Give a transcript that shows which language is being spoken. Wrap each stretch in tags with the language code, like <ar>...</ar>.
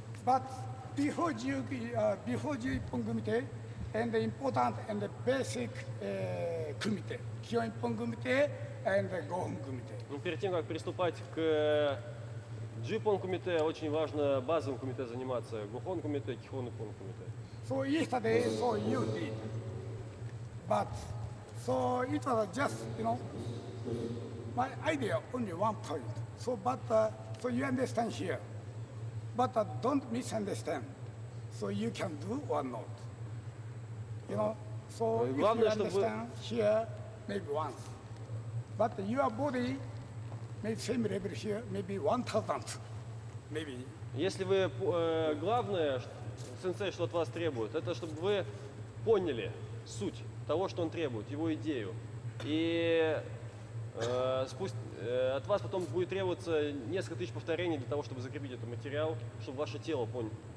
<en>But before Jiyu Kumite. And the important and the basic kumite, kyoinpon kumite and gohon kumite.</en> <ru>Ну перед тем как приступать к джипон кумите, очень важно базовым кумите заниматься, гохон кумите, кихонпон кумите.</ru> <en>So yesterday, so you did, but so it was just my idea only one point. So but so you understand here, but don't misunderstand. So you can do or not. So if you understand here, maybe once. But your body may same level here, maybe 1,000, maybe.</en> <ru>Если вы главное, сенсей, что от вас требует, это чтобы вы поняли суть того, что он требует, его идею. И от вас потом будет требоваться несколько тысяч повторений для того, чтобы закрепить этот материал, чтобы ваше тело поняло.</ru>